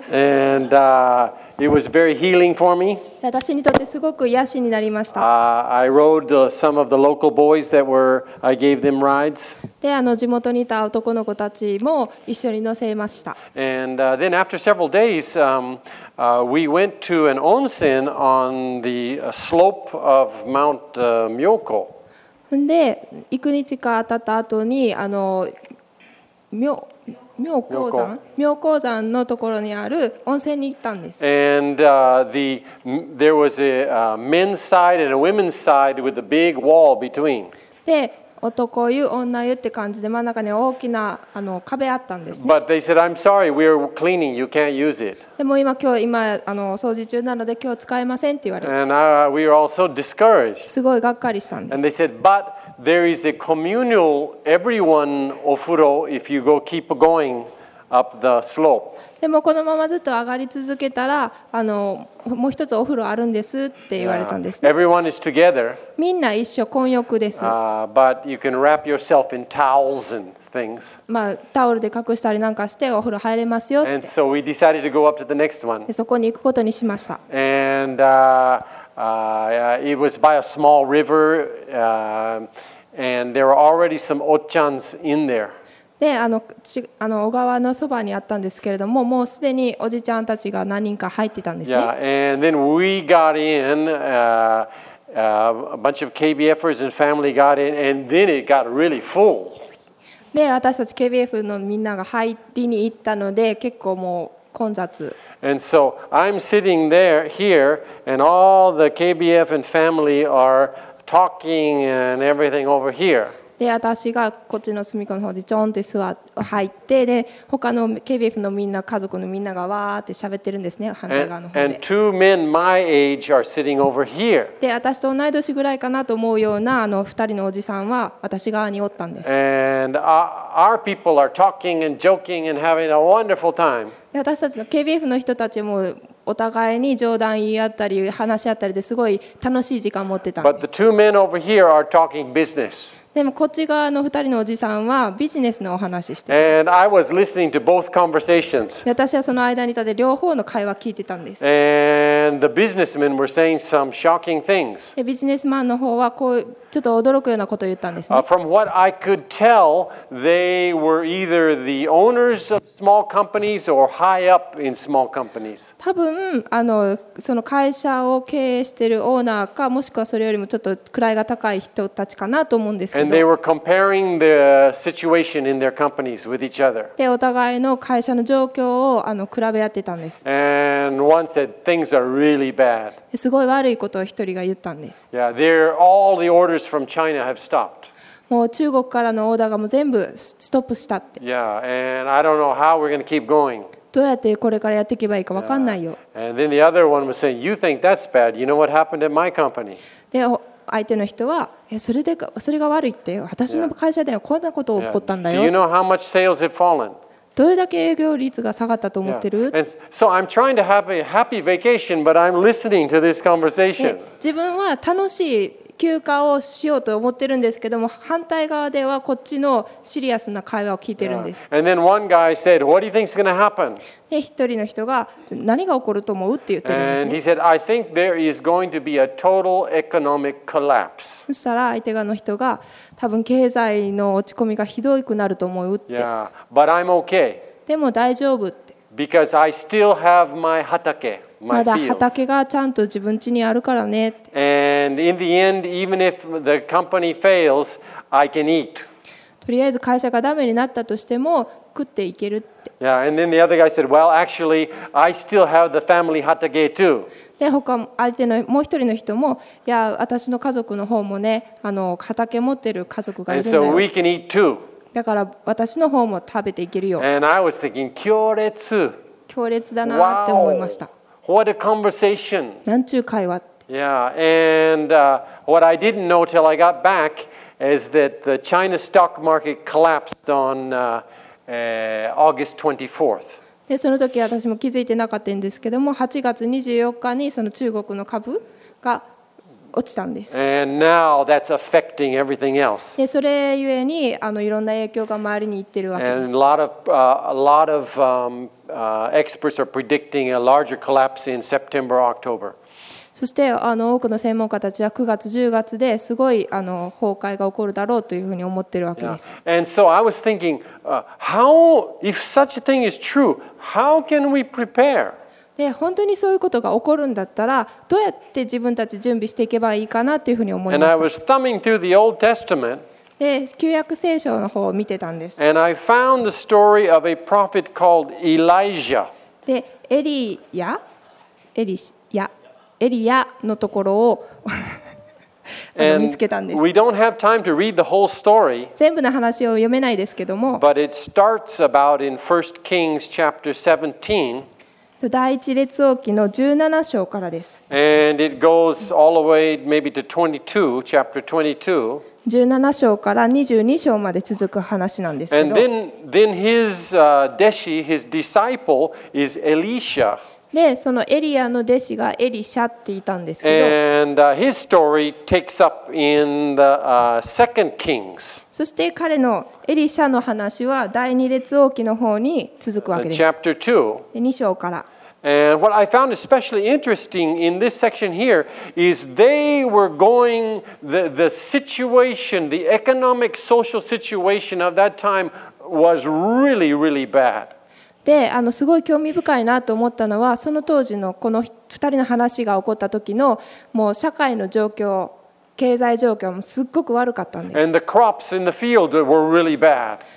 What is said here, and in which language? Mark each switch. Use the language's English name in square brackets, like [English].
[English] And, it was very healing for me. [Japanese] 私にとってすごく癒しになりました。 [English] I rode some of the local boys that were, I gave them rides. [Japanese] で、地元にいた男の子たちも一緒に乗せました。 [English] And, then after several days, we went to an onsen on the slope of Mount, Myoko. [Japanese] で、幾日か経った後に、妙高山のところにある温泉に行ったんです。 [English] And the there was a men's side and a women's side with a big wall between. [Japanese] で、男湯、女湯って感じで真ん中に大きな壁あったんですね。 [English] But they said, I'm sorry, we're cleaning, you can't use it. [Japanese] でも今掃除中なので今日使えませんって言われて。 [English] And we were also discouraged. [Japanese] すごいがっかりしたんです。 [English] And they said, but there is a communal everyone ofuro if you go keep going up the slope. [Japanese] でもこのままずっと上がり続けたらもう一つお風呂あるんですって言われたんですね。 [English] Everyone is together. [Japanese] みんな一緒、混浴です。 [English] But you can wrap yourself in towels and things. [Japanese] まあタオルで隠したりなんかしてお風呂入れますよって。 [English] And so we decided to go up to the next one. [Japanese] そこに行くことにしました。 [English] And it was by a small river, and there were already some ochans in there. [Japanese] で、小川のそばにあったんですけれども、もうすでにおじちゃんたちが何人か入ってたんですね。 [English] Yeah, and then we got in, a bunch of KBFers and family got in, and then it got really full. [Japanese] で、私たち KBF のみんなが入りに行ったので、結構もう混雑。 [English] And so I'm sitting there here, and all the KBF and family are talking and everything over here. [Japanese] で私がこっちの隅っこの方でジョンって座って入って、で他の KBF のみんな家族のみんながわーって喋ってるんですね、反対側の方で。 [English] And two men my age are sitting over here. [Japanese] で私と同い年ぐらいかなと思うような二人のおじさんは私側におったんです。 [English] And our people are talking and joking and having a wonderful time. [Japanese] 私たちの KBF の人たちもお互いに冗談言い合ったり話し合ったりですごい楽しい時間を持ってたんです。 [English] But the two men over here are talking business. [Japanese] でもこっち側の二人のおじさんはビジネスのお話をしてた。 [English] And I was listening to both conversations. [Japanese] 私はその間にいたで両方の会話を聞いてたんです。 [English] And the businessmen were saying some shocking things. [Japanese] ビジネスマンの方はこうちょっと驚くようなことを言ったんですね。 [English] From what I could tell, they were either the owners of small companies or high up in small companies. [Japanese] 多分その会社を経営しているオーナーかもしくはそれよりもちょっと位が高い人たちかなと思うんですけど。 [English] And they were comparing the situation in their companies with each other. [Japanese] でお互いの会社の状況を比べ合ってたんです。 [English] And one said things are really bad. [Japanese] すごい悪いことを一人が言ったんです。 [English] Yeah, there all the orders from China have stopped. [Japanese] もう中国からのオーダーがもう全部ストップしたって。 [English] Yeah, and I don't know how we're going to keep going. [Japanese] どうやってこれからやっていけばいいか分かんないよ。 [English] Yeah. And then the other one was saying, "You think that's bad? You know what happened at my company?" [Japanese] で、相手の人は、それが悪いって、私の会社ではこんなことが起こったんだよ。 [English] Yeah. Do you know how much sales have fallen? [Japanese] どれだけ営業率が下がったと思ってる？ [English] Yeah. And so I'm trying to have a happy vacation, but I'm listening to this conversation. [Japanese] 自分は楽しい休暇をしようと思ってるんですけども、反対側ではこっちのシリアスな会話を聞いてるんです。 [English] Yeah. And then one guy said, "What do you think is going to happen?" [Japanese] 一人の人が何が起こると思うって言ってるんですね。 [English] And he said, "I think there is going to be a total economic collapse." [Japanese] そしたら相手側の人が多分経済の落ち込みがひどくなると思うって。 [English] Yeah, but I'm okay. [Japanese] でも大丈夫って。 [English] Because I still have my hatake, my fields. [Japanese] まだ畑がちゃんと自分家にあるからねって。 [English] And in the end, even if the company fails, I can eat. [Japanese] とりあえず会社がダメになったとしても食っていけるって。 [English] Yeah, and then the other guy said, well, actually, I still have the family hatake too. [Japanese] で、他相手のもう一人の人も、いや、私の家族の方もね、畑持ってる家族がいるんだよ。 [English] And so we can eat too. [Japanese] だから私の方も食べていけるよ。 [English] And I was thinking, [Japanese] 強烈。強烈だなって思いました。 [English] Wow. What a conversation. [Japanese] なんちゅう会話って。 [English] Yeah, and, what I didn't know till I got back is that the China stock market collapsed on, August 24th. [Japanese] で、その時私も気づいてなかったんですけども、8月24日にその中国の株が落ちたんです。 [English] And now that's affecting everything else. [Japanese] で、それゆえにいろんな影響が周りに行ってるわけです。 [English] And a lot of experts are predicting a larger collapse in September, October. [Japanese] そして多くの専門家たちは9月10月ですごい崩壊が起こるだろうというふうに思っているわけです。 [English] Yeah. And so I was thinking, if such a thing is true, how can we prepare? [Japanese] で本当にそういうことが起こるんだったらどうやって自分たち準備していけばいいかなというふうに思いました。 [English] And I was thumbing through the Old Testament. [Japanese] で旧約聖書の方を見てたんです。 [English] And I found the story of a prophet called Elijah. [Japanese] でエリヤ、エリシヤ。エリアのところを見つけたんです。 [English] We don't have time to read the whole story, [Japanese] 全部の話を読めないですけども。 [English] But it starts about in 1 Kings chapter 17. [Japanese] 第一列王記の17章からです。 [English] And it goes all the way maybe to 22, chapter [Japanese] 22. 17章から22章まで続く話なんですけど。 [English] And then his deshi, his disciple is Elisha. [Japanese] でそのエリアの弟子がエリシャって言ったんですけど [English] And, his story takes up in the, Second Kings. [Japanese] そして彼のエリシャの話は第二列王記の方に続くわけです [English] Chapter 2. [Japanese] 2章から [English] And what I found especially interesting in this section here is they were going the situation, the economic social situation of that time was really, really bad. [Japanese] で、すごい興味深いなと思ったのは、その当時のこの2人の話が起こった時の、もう社会の状況、経済状況もすっごく悪かったんです。 [English] And the crops in the field were really bad.